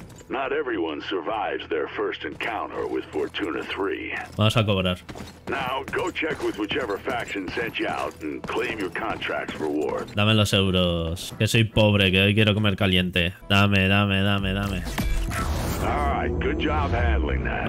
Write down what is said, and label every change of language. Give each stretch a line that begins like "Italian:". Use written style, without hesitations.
English: Not everyone survives their first encounter with Fortuna 3.
Spanish: Vamos a cobrar.
English: Now go check with whichever faction sent you out and claim your contract's reward.
Spanish: Dame los euros, que soy pobre, que hoy quiero comer caliente. Dame, dame, dame, dame.
English: All right, good job handling that.